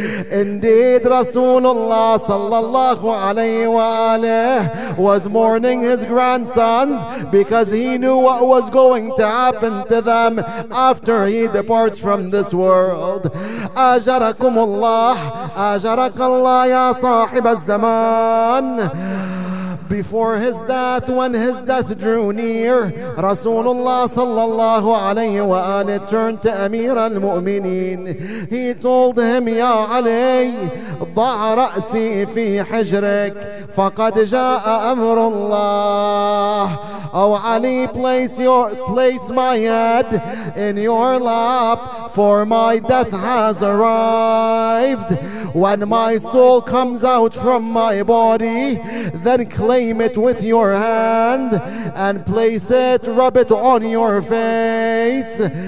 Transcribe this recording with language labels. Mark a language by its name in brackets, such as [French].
[English] Indeed, Rasulullah sallallahu alayhi wa alayhi was mourning his grandsons because he knew what was going to happen to them after he departs from this world. [Arabic] Ajarakum Allah, ajarak Allah ya sahib al-zaman. [English] Before his death, when his death drew near, Rasulullah sallallahu alayhi wa alayhi turned to Amir al-Mu'mineen. He told him, [Arabic] Ya Ali, ضَعَ رَأْسِي فِي حِجْرِكَ فَقَدْ جَاءَ أَمْرُ اللَّهِ. [English] Oh Ali, place my head in your lap, for my death has arrived. When my soul comes out from my body, then claim it with your hand and place it, rub it on your face.